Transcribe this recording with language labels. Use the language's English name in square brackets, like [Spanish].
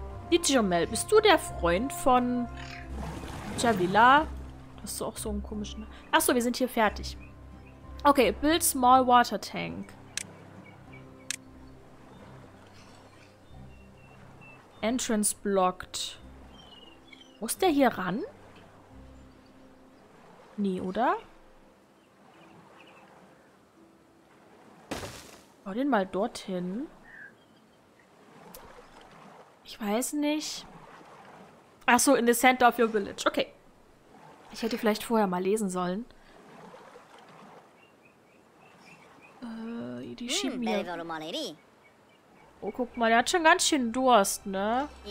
[German] Dijomel, bist du der Freund von Javilla? Hast du auch so einen komischen... Achso, wir sind hier fertig. [English] Okay, build small water tank. Entrance blocked. [German] Muss der hier ran? Nee, oder? Bau den mal dorthin. Ich weiß nicht. [English] Achso, in the center of your village. Okay. [German] Ich hätte vielleicht vorher mal lesen sollen. Die schieben hier. Oh, guck mal, der hat schon ganz schön Durst, ne?